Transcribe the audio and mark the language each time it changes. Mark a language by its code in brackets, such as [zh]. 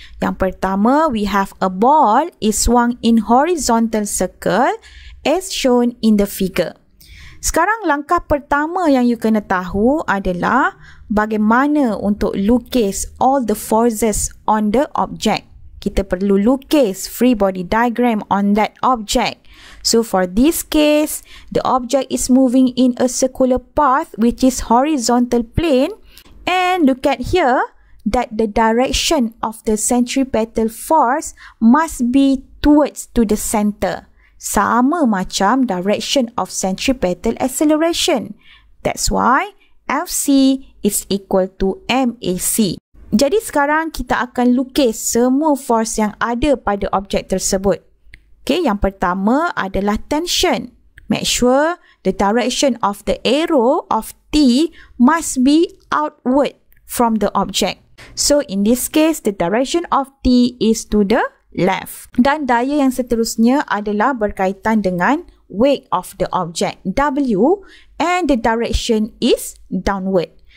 [ms] Yang pertama, [en] we have a ball is swung in horizontal circle as shown in the figure. [ms] Sekarang langkah pertama yang you kena tahu adalah bagaimana untuk lukis [en] all the forces on the object. [ms] Kita perlu lukis [en] free body diagram on that object. So for this case, the object is moving in a circular path which is horizontal plane. And look at here that the direction of the centripetal force must be towards to the center. [ms] Sama macam [en] direction of centripetal acceleration. That's why FC is equal to MAC. [ms] Jadi sekarang kita akan lukis semua force yang ada pada objek tersebut. Okay, yang pertama adalah tension. [en] Make sure the direction of the arrow of T must be outward from the object. So in this case, the direction of T is to the left. [ms] Dan daya yang seterusnya adalah berkaitan dengan [en] weight of the object, W, and the direction is downward.